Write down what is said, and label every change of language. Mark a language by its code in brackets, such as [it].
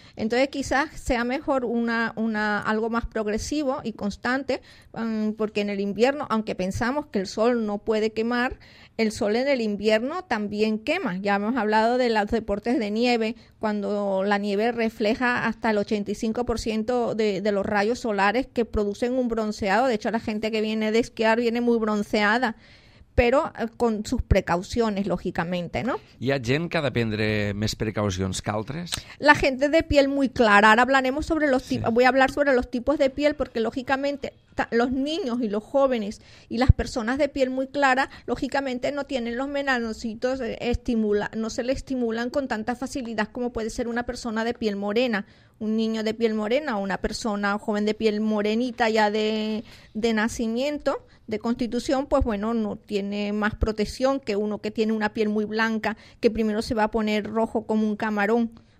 [es] Entonces quizás sea mejor una algo más progresivo y constante, porque en el invierno, aunque pensamos que el sol no puede quemar, el sol en el invierno también quema. Ya hemos hablado de los deportes de nieve, cuando la nieve refleja hasta el 85% de los rayos solares que producen un bronceado. De hecho, la gente que viene de esquiar viene muy bronceada, pero con sus precauciones, lógicamente, ¿no? [ca] ¿Hi ha gent que ha de prendre més precaucions que altres? [es] La gente de piel muy clara. Ahora hablaremos sobre los voy a hablar sobre los tipos de piel, porque lógicamente los niños y los jóvenes y las personas de piel muy clara, lógicamente no tienen los melanocitos no se les estimulan con tanta facilidad como puede ser una persona de piel morena, un niño de piel morena o una persona joven de piel morenita ya de nacimiento, de constitución, pues bueno, no tiene más protección que uno que tiene una piel muy blanca, que primero se va a poner rojo como un camarón.